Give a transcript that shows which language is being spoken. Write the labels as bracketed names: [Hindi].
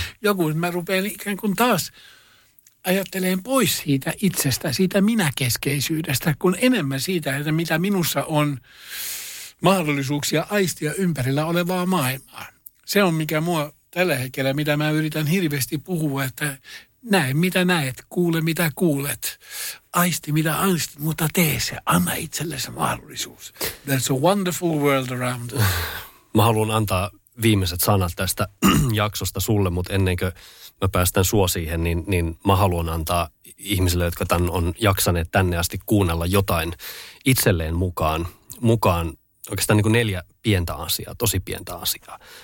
[Finnish] Joku, mä rupean ikään kuin taas ajattelemaan pois siitä itsestä, siitä minäkeskeisyydestä, kun enemmän siitä, että mitä minussa on mahdollisuuksia aistia ympärillä olevaa maailmaa. Se on mikä mua tällä hetkellä, mitä mä yritän hirveästi puhua, että näe, mitä näet, kuule, mitä kuulet, aisti, mitä aisti, mutta tee se, anna itsellesi mahdollisuus. [English] There's a wonderful world around us. [Finnish] Mä haluan antaa viimeiset sanat tästä jaksosta sulle, mutta ennen kuin mä päästän sua siihen, niin mä haluan antaa ihmisille, jotka tämän on jaksaneet tänne asti kuunnella jotain itselleen mukaan oikeastaan niin kuin 4 pientä asiaa, tosi pientä asiaa.